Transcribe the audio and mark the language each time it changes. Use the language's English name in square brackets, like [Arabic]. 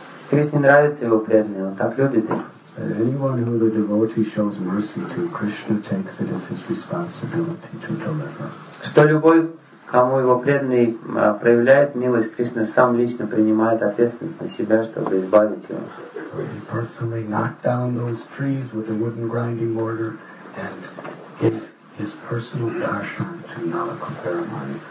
[Russian] Кришне нравится его преданные, он так любит их. [English] That anyone who the devotee shows mercy to, Krishna takes it as his responsibility to deliver. [Russian] Что любой, кому его преданный проявляет милость, Кришна сам лично принимает ответственность на себя, чтобы избавить его. [English] So he personally knocked down those trees with a wooden grinding mortar and gave his personal darshan to Nalakumaramani.